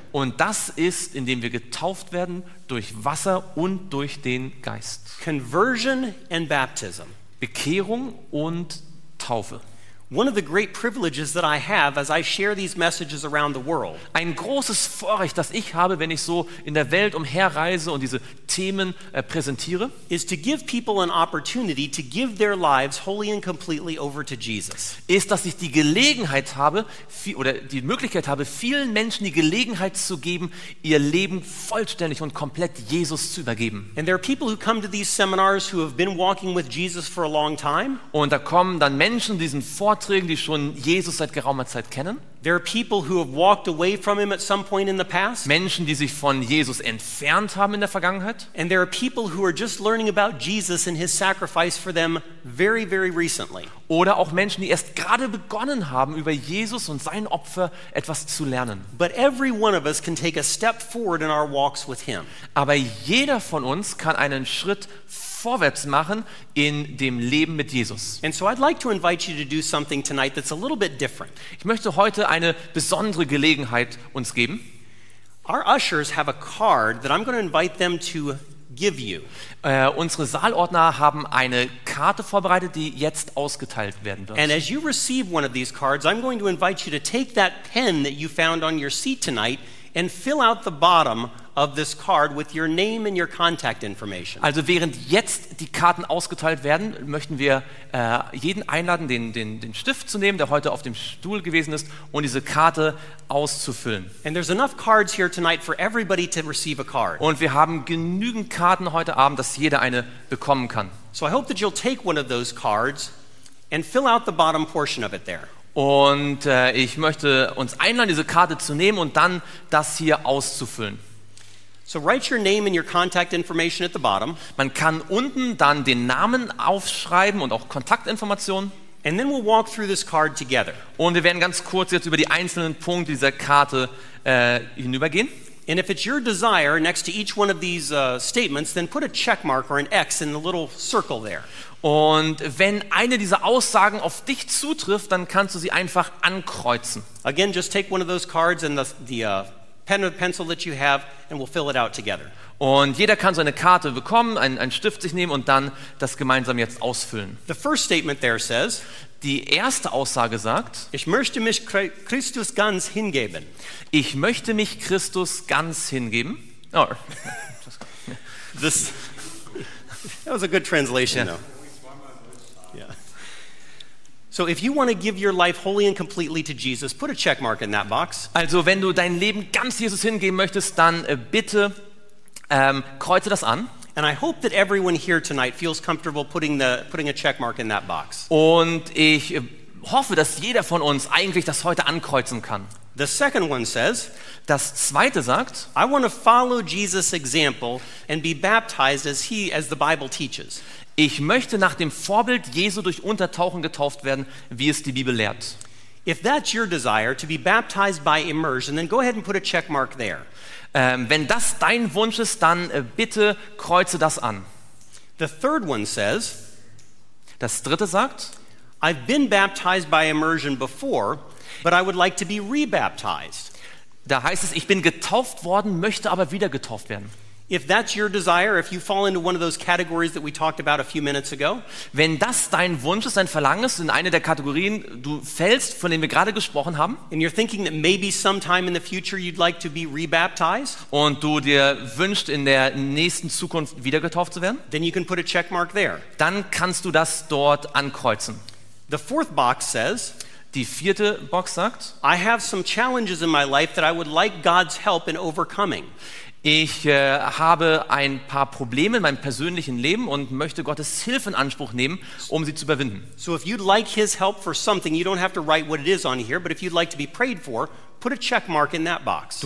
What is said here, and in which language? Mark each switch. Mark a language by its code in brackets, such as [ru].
[de] Und das ist, indem wir getauft werden durch Wasser und durch den Geist. [en] Conversion and baptism. [de] Bekehrung und Taufe. [en] One of the great privileges that I have as I share these messages around the world. [de] Ein großes Vorrecht, das ich habe, wenn ich so in der Welt umherreise und diese Themen präsentiere, [en] is to give people an opportunity to give their lives wholly and completely over to Jesus. [de] Ist, dass ich die Gelegenheit habe, oder die Möglichkeit habe, vielen Menschen die Gelegenheit zu geben, ihr Leben vollständig und komplett Jesus zu übergeben. [en] And there are people who come to these seminars who have been walking with Jesus for a long time. [de] Und da kommen dann Menschen, diesen Vorträgen, die schon Jesus seit geraumer Zeit kennen. [en] There are people who have walked away from him at some point in the past. [de] Menschen, die sich von Jesus entfernt haben in der Vergangenheit. [en] And there are people who are just learning about Jesus and his sacrifice for them very, very recently. [de] Oder auch Menschen, die erst gerade begonnen haben, über Jesus und sein Opfer etwas zu lernen. [en] But every one of us can take a step forward in our walks with him. [de] Aber jeder von uns kann einen Schritt vorwärts machen in dem Leben mit Jesus. [en] And so I'd like to invite you to do something tonight that's a little bit different. [de] Ich möchte heute eine besondere Gelegenheit uns geben. [en] Our ushers have a card that I'm going to invite them to give you. [de] Unsere Saalordner haben eine Karte vorbereitet, die jetzt ausgeteilt werden wird. [en] And as you receive one of these cards, I'm going to invite you to take that pen that you found on your seat tonight and fill out the bottom of this card with your name and your contact information. [de] Also während jetzt die Karten ausgeteilt werden, möchten wir jeden einladen, den Stift zu nehmen, der heute auf dem Stuhl gewesen ist, und diese Karte auszufüllen. [en] And there's enough cards here tonight for everybody to receive a card. [de] Und wir haben genügend Karten heute Abend, dass jeder eine bekommen kann. [en] So I hope that you'll take one of those cards and fill out the bottom portion of it there. [de] Und ich möchte uns einladen, diese Karte zu nehmen und dann das hier auszufüllen. [en] So write your name and your contact information at the bottom. [de] Man kann unten dann den Namen aufschreiben und auch Kontaktinformationen. [en] And then we'll walk through this card together. [de] Und wir werden ganz kurz jetzt über die einzelnen Punkte dieser Karte hinübergehen. [en] And if it's your desire, next to each one of these statements, then put a checkmark or an X in the little circle there. [de] Und wenn eine dieser Aussagen auf dich zutrifft, dann kannst du sie einfach ankreuzen. [en] Again, just take one of those cards and the pen or pencil that you have, and we'll fill it out together. [de] Und jeder kann seine Karte bekommen, einen Stift sich nehmen und dann das gemeinsam jetzt ausfüllen. [en] The first statement there says, [de] die erste Aussage sagt, ich möchte mich Christus ganz hingeben. Ich möchte mich Christus ganz hingeben. Oh. [en] That was a good translation, yeah. Though. So if you want to give your life wholly and completely to Jesus, put a check mark in that box. [de] Also, wenn du dein Leben ganz Jesus hingeben möchtest, dann bitte kreuze das an. [en] And I hope that everyone here tonight feels comfortable putting a check mark in that box. [de] Und ich hoffe, dass jeder von uns eigentlich das heute ankreuzen kann. [en] The second one says, [de] das zweite sagt, [en] I want to follow Jesus' example and be baptized as the Bible teaches. [de] Ich möchte nach dem Vorbild Jesu durch Untertauchen getauft werden, wie es die Bibel lehrt. [en] If that's your desire to be baptized by immersion, then go ahead and put a check mark there. [de] Wenn das dein Wunsch ist, dann bitte kreuze das an. [en] The third one says, [de] das dritte sagt, [en] I've been baptized by immersion before, but I would like to be rebaptized. [de] Da heißt es, ich bin getauft worden, möchte aber wieder getauft werden. [en] If that's your desire, if you fall into one of those categories that we talked about a few minutes ago, [de] wenn das dein Wunsch ist, dein Verlangen ist, in eine der Kategorien du fällst, von denen wir gerade gesprochen haben, [en] and you're thinking that maybe sometime in the future you'd like to be rebaptized, [de] und du dir wünschst, in der nächsten Zukunft wieder getauft zu werden, [en] then you can put a check mark there. [de] Dann kannst du das dort ankreuzen. [en] The fourth box says, [de] die vierte Box sagt, [en] I have some challenges in my life that I would like God's help in overcoming. [de] Ich habe ein paar Probleme in meinem persönlichen Leben und möchte Gottes Hilfe in Anspruch nehmen, um sie zu überwinden. [en] So if you'd like his help for something, you don't have to write what it is on here, but if you'd like to be prayed for, put a check mark in that box.